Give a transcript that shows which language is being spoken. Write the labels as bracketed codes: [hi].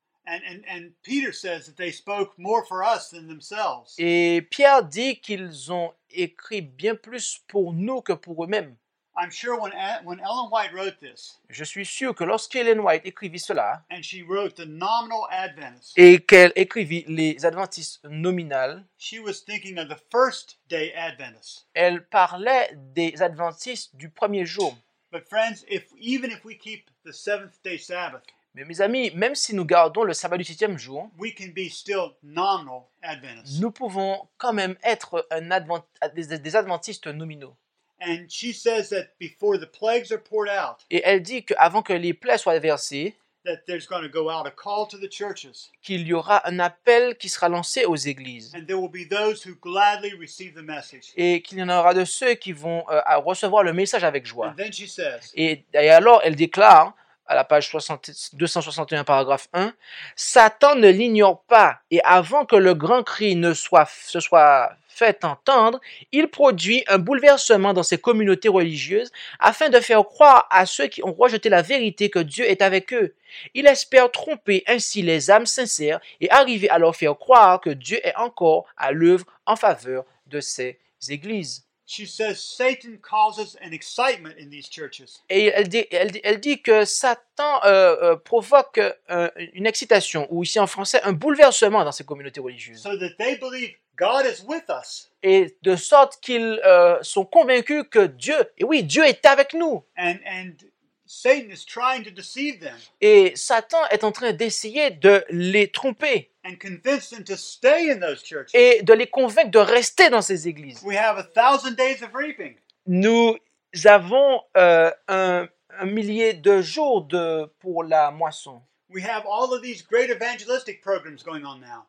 [en] And Peter says that they spoke more for us than themselves. [fr] Et Pierre dit qu'ils ont écrit bien plus pour nous que pour eux-mêmes. [en] I'm sure when Ellen White wrote this, [fr] je suis sûr que lorsqu'Ellen White écrivit cela, [en] and she wrote the nominal Adventists, [fr] et qu'elle écrivit les Adventistes nominales, [en] she was thinking of the first day Adventists. [fr] Elle parlait des Adventistes du premier jour. [en] But friends, even if we keep the seventh day Sabbath, [fr] mais mes amis, même si nous gardons le sabbat du septième jour, [en] we can be still nominal Adventists. [fr] Nous pouvons quand même être des Adventistes nominaux. [en] And she says that before the plagues are poured out, [fr] et elle dit que avant que les plaies soient versées, [en] that there's going to go out a call to the churches, [fr] qu'il y aura un appel qui sera lancé aux églises, [en] and there will be those who gladly receive the message, [fr] et qu'il y en aura de ceux qui vont recevoir le message avec joie. [en] And then she says, [fr] et alors elle déclare à la page 261, paragraphe 1, Satan ne l'ignore pas, et avant que le grand cri se soit fait entendre, il produit un bouleversement dans ces communautés religieuses afin de faire croire à ceux qui ont rejeté la vérité que Dieu est avec eux. Il espère tromper ainsi les âmes sincères et arriver à leur faire croire que Dieu est encore à l'œuvre en faveur de ces églises. [en] She says Satan causes an excitement in these churches. [fr] Et elle dit que Satan provoque une excitation, ou ici en français, un bouleversement dans ces communautés religieuses. [en] So that they believe God is with us. [fr] Et de sorte qu'ils sont convaincus que Dieu, et oui, Dieu est avec nous. [en] And Satan is trying to deceive them. [fr] Et Satan est en train d'essayer de les tromper. [en] And convince them to stay in those churches. [fr] Et de les convaincre de rester dans ces églises. [en] We have 1,000 days of reaping. [fr] Nous avons un millier de jours pour la moisson. [en] We have all of these great evangelistic programs going on now.